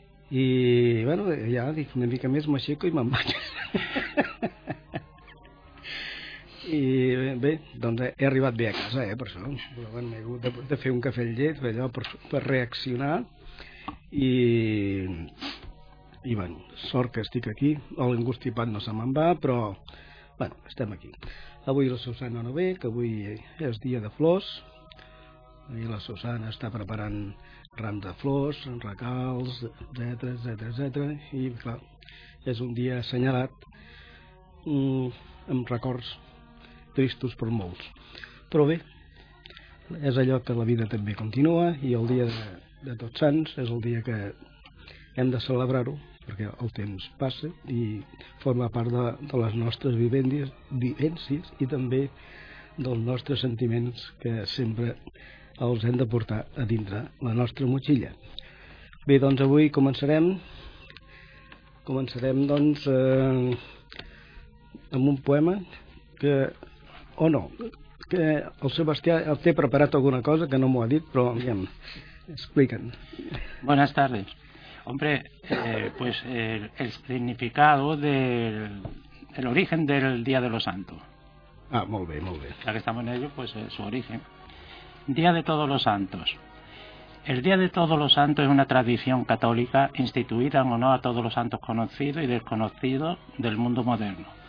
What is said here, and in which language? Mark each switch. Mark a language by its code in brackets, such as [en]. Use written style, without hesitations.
[ca] I, bueno, ja dic, una mica més m'aixeco i me'n vaig. I bé, doncs he arribat bé a casa, per això. Però, bueno, he hagut de fer un cafè llet, allò, per reaccionar. I, bueno, sort que estic aquí. El engustipat no se me'n va, però, bueno, estem aquí. Avui la Susana no ve, que avui és dia de flors. I la Susana està preparant rams de flors, regals, etc. I, clar, és un dia assenyalat, amb records tristos per molts. Però bé, és allò que la vida també continua, i el dia de Tots Sants és el dia que hem de celebrar-ho, perquè el temps passa i forma part de les nostres vivències i també dels nostres sentiments, que sempre els hem de portar a dintre la nostra motxilla. Bé, doncs avui començarem doncs amb un poema que, o no, que el Sebastià el té preparat alguna cosa que no m'ho ha dit, però aviam, explica'n. [es] Buenas tardes. Hombre, pues el significado del origen del Día de los Santos. [ca] Ah, molt bé, molt bé. [es] Ya que estamos en ello, pues su origen. Día de Todos los Santos. El Día de Todos los Santos es una tradición católica instituida en honor a todos los santos conocidos y desconocidos del mundo moderno.